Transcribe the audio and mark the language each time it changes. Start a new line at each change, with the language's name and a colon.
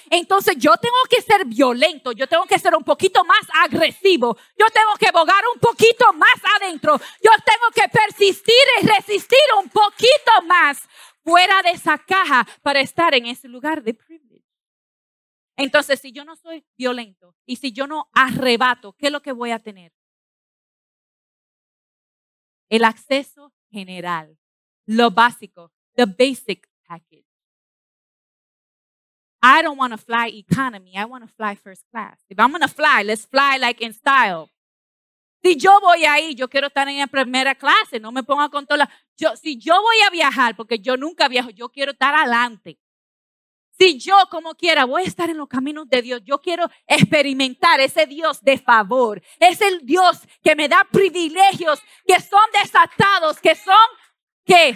Spanish: Entonces yo tengo que ser violento, yo tengo que ser un poquito más agresivo, yo tengo que bogar un poquito más adentro, yo tengo que persistir y resistir un poquito más fuera de esa caja para estar en ese lugar de privilege. Entonces, si yo no soy violento y si yo no arrebato, ¿qué es lo que voy a tener? El acceso general. lo básico,
English: the basic package. I don't want to fly economy. I want to fly first class. If I'm going to fly, let's fly like in style.
Spanish: Si yo voy ahí, yo quiero estar en primera clase. No me ponga con toda la... Yo, si yo voy a viajar, porque yo nunca viajo, yo quiero estar adelante. Si yo, como quiera, voy a estar en los caminos de Dios, yo quiero experimentar ese Dios de favor. Es el Dios que me da privilegios, que son desatados, que son ¿qué?